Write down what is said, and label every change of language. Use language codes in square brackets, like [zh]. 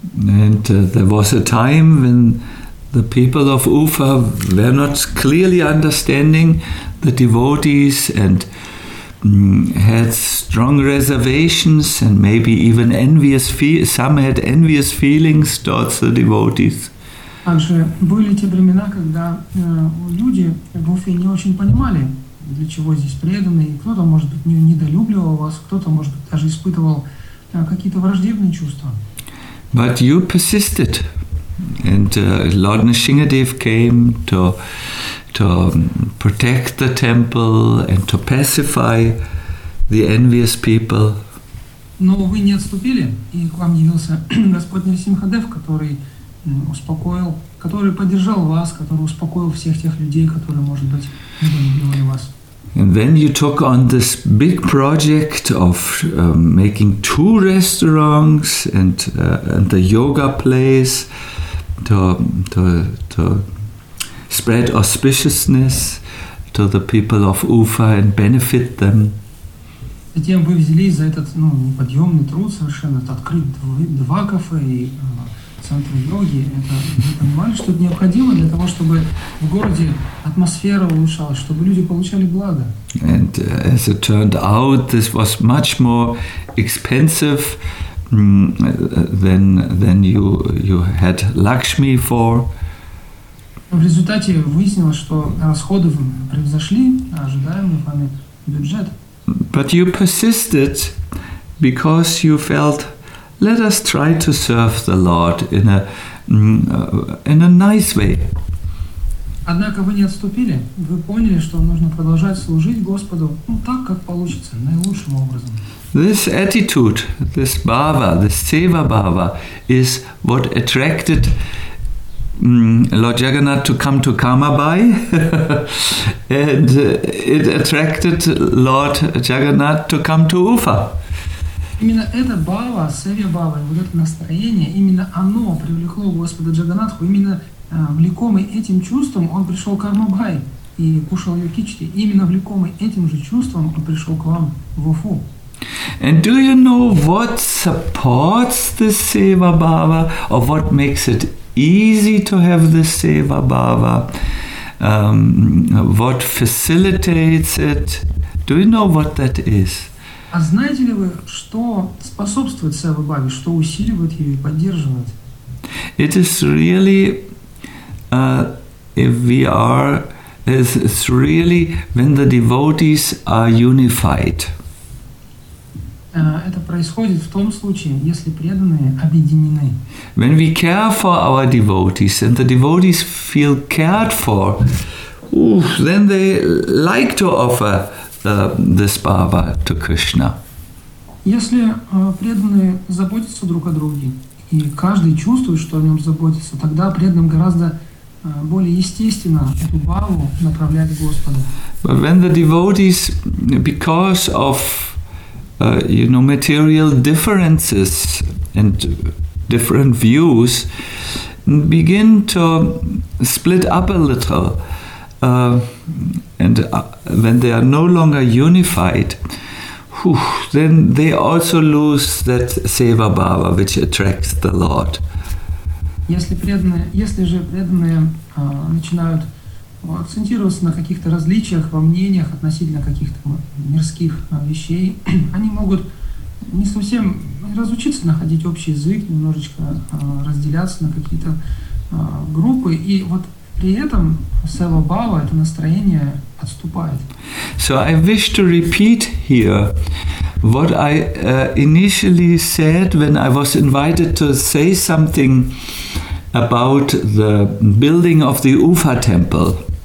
[en] And there was a time when the people of Ufa were not clearly understanding the devotees and had strong reservations and maybe even envious some had envious feelings towards the devotees. [ru] Также были те времена, когда люди в Уфе не очень понимали, для чего здесь преданные. Кто-то, может быть, недолюбливал вас, кто-то, может быть, даже испытывал какие-то враждебные чувства. [en] But you persisted. And Lord Nrisimhadev came to protect the temple and to pacify the envious people. [ru] Но вы не отступили, и к вам явился Господь Нрисимхадев, который успокоил, который поддержал вас, который успокоил всех тех людей, которые, может быть, недолюбливали вас. [en] And then you took on this big project of making two restaurants and the yoga place to spread auspiciousness to the people of Ufa and benefit them. [ru] Затем вы взялись за этот подъемный труд совершенно, открыть два кафе и центр йоги. Это вы понимали, что это необходимо для того, чтобы в городе атмосфера улучшалась, чтобы люди получали благо. [en] And as it turned out, this was much more expensive than you had Lakshmi for. [ru] В результате выяснилось, что расходы превзошли ожидаемый вами бюджет. [en] But you persisted because you felt, let us try to serve the Lord in a nice way. [ru] Однако вы не отступили. Вы поняли, что нужно продолжать служить Господу, так, как получится, наилучшим образом. [en] This attitude, this bhava, this seva bhava, is what attracted Lord Jagannath to come to Kamabai. And it attracted Lord Jagannath to come to Ufa. [ru] Именно эта бхава, севья бхава, вот это настроение, именно оно привлекло Господа Джаганатху. Именно влекомый этим чувством он пришел к Армабхай и кушал ее кичти. Именно влекомый этим же чувством он пришел к вам в Уфу. [en] And do you know what supports the seva bhava, or what makes it easy to have the seva bhava? What facilitates it? Do you know what that is? [ru] А знаете ли вы, что способствует Сева Бхаве, что усиливает ее и поддерживает? [en] It is really, if we are, it's really when the devotees are unified. [ru] Это происходит в том случае, если преданные объединены. [en] When we care for our devotees and the devotees feel cared for, then they like to offer this bhava to Krishna. [ru] Если преданные заботятся друг о друге и каждый чувствует, что о нем заботится, тогда преданным гораздо более естественно эту бхаву направлять к Господу. [en] But when the devotees, because of you know, material differences and different views begin to split up a little. And when they are no longer unified, then they also lose that seva bhava, which attracts the Lord. [ru] Если преданные начинают акцентироваться на каких-то различиях во мнениях относительно каких-то мирских вещей, они могут не совсем разучиться находить общий язык, немножечко разделяться на какие-то группы, и вот при этом сева бхава, это настроение, отступает. [en] So I wish to repeat here what I initially said when I was invited to say something about the building of the Ufa temple.